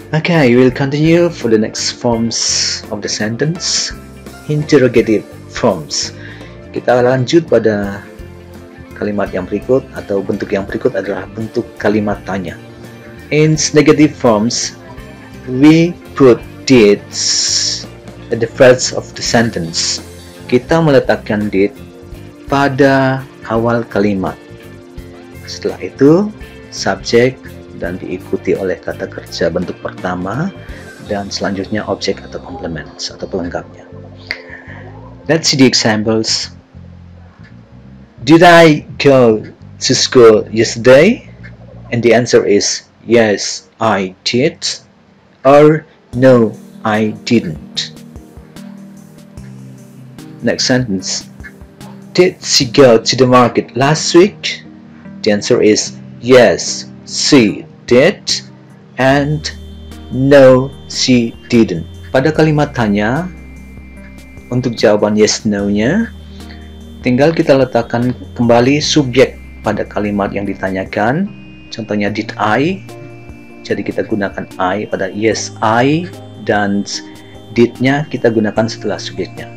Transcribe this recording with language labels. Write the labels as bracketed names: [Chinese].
[English] Okay, we'll continue for the next forms of the sentence. Interrogative forms. [Indonesian] Kita lanjut pada kalimat yang berikut atau bentuk yang berikut adalah bentuk kalimat tanya. [English] In negative forms, we put did at the first of the sentence. [Indonesian] Kita meletakkan did pada awal kalimat. Setelah itu, subjek dan diikuti oleh kata kerja bentuk pertama dan selanjutnya objek atau complement atau pelengkapnya. [English] Let's see the examples. Did I go to school yesterday? And the answer is yes, I did, or no, I didn't. Next sentence. Did she go to the market last week? The answer is yes, she did, and no, she didn't. [Indonesian] Pada kalimat tanya, untuk jawaban yes, no-nya, tinggal kita letakkan kembali subjek pada kalimat yang ditanyakan. Contohnya, [English] did I? [Indonesian] Jadi kita gunakan I pada yes, I, dan did-nya kita gunakan setelah subjeknya.